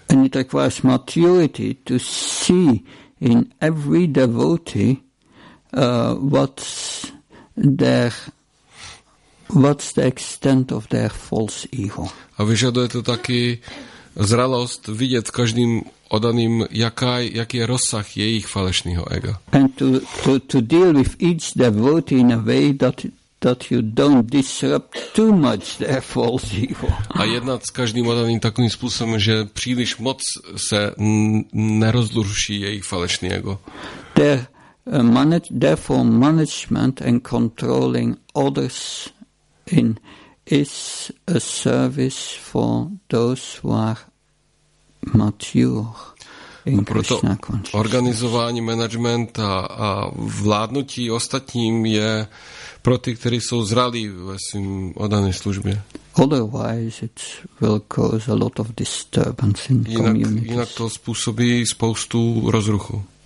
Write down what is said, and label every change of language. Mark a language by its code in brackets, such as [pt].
[en] And it requires maturity to see in every devotee what's the extent of their false ego. [cs] A vyžaduje to taky zralost vidět každým odaným, jaký je rozsah jejich falešného ega. [en] And to deal with each devotee in a way that you don't disrupt too much their false ego. [cs] A jednat s každým odaným takovým způsobem, že příliš moc se nerozruší jejich falešný ego. [en] Therefore management and controlling others in is a service for those who are mature. [cs] A proto organizování, management a vládnutí ostatním je pro ty, kteří jsou zralí ve svým odané službě. [en] Otherwise it will cause a lot of disturbance in communities. [cs] Jinak to způsobí spoustu rozruchu.